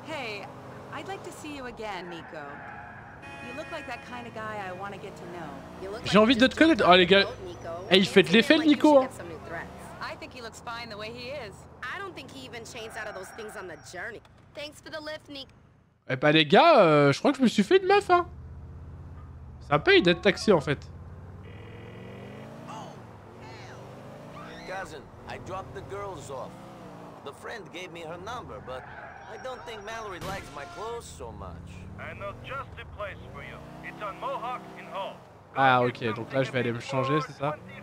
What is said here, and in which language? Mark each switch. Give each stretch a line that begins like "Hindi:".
English: Hey, I'd like to see you again, Nico. You look like that kind of guy I want to get to know.
French: J'ai envie de te connaître. Oh, les gars. Hey, il fait de l'effet, Nico.
English: I think he looks fine the way he is. I don't think he even changed out of those things on the journey. Thanks for the lift, Nico.
French: Eh ben, les gars, je crois que je me suis fait une meuf, hein. Ça paye d'être taxi, en fait.
English: Cousin, I dropped the girls off. The friend gave me her number, but I don't think Mallory likes my clothes so much. I know just the place for you. It's on Mohawk in Hall.
French: Ah, ok, donc là je vais aller me changer, c'est ça?